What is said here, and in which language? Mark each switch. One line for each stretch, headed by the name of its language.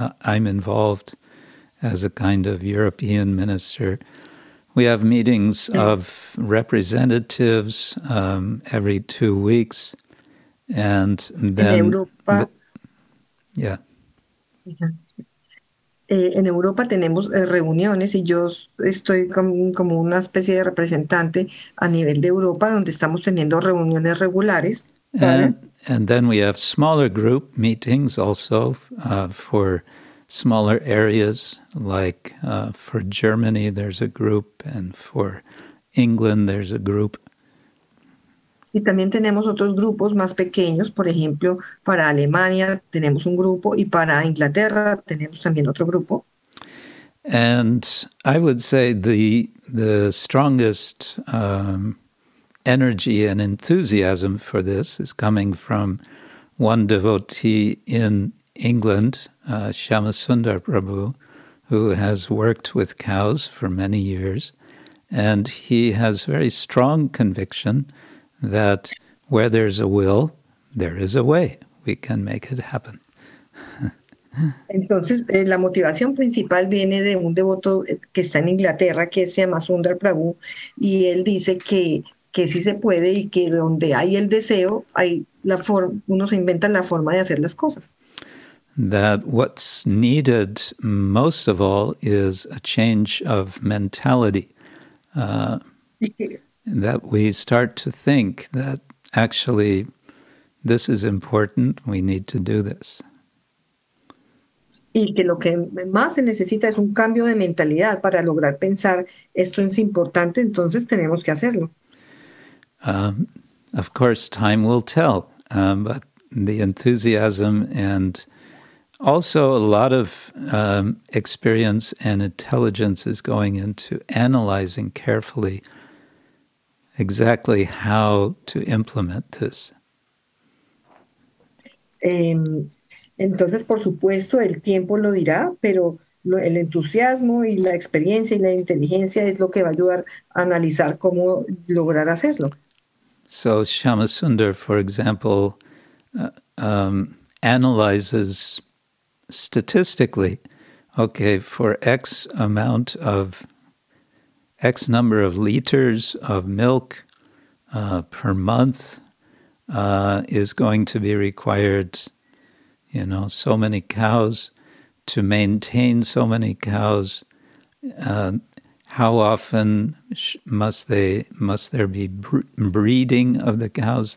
English: I'm involved as a kind of European minister. We have meetings of representatives every 2 weeks, and
Spanish: En
English: then
Spanish: Europa,
English: yeah.
Spanish: en Europa tenemos reuniones y yo estoy como una especie de representante a nivel de Europa donde estamos teniendo reuniones regulares para.
English: And then we have smaller group meetings also for smaller areas, like for Germany, there's a group, and for England, there's a group.
Spanish: Y también tenemos otros grupos más pequeños, por ejemplo, para Alemania tenemos un grupo y para Inglaterra tenemos también otro grupo.
English: And I would say the strongest energy and enthusiasm for this is coming from one devotee in England, Shyamasundar Prabhu, who has worked with cows for many years, and he has very strong conviction that where there's a will, there is a way. We can make it happen.
Spanish: Entonces, la motivación principal viene de un devoto que está en Inglaterra, que se llama Sundar Prabhu, y él dice que sí se puede y que donde hay el deseo, hay la forma, uno se inventa la forma de hacer las cosas.
English: That what's needed most of all is a change of mentality. That we start to think that actually this is important, we need to do this.
Spanish: Y que lo que más se necesita es un cambio de mentalidad para lograr pensar esto es importante, entonces tenemos que hacerlo.
English: Of course, time will tell, but the enthusiasm and also, a lot of experience and intelligence is going into analyzing carefully exactly how to implement this.
Spanish: Entonces, por supuesto, el tiempo lo dirá, pero el entusiasmo y la experiencia y la inteligencia es lo que va a ayudar a analizar cómo lograr hacerlo.
English: So Shyamasundar, for example, analyzes statistically, okay, for X amount of, X number of liters of milk per month is going to be required, you know, so many cows, to maintain so many cows, how often must there be breeding of the cows?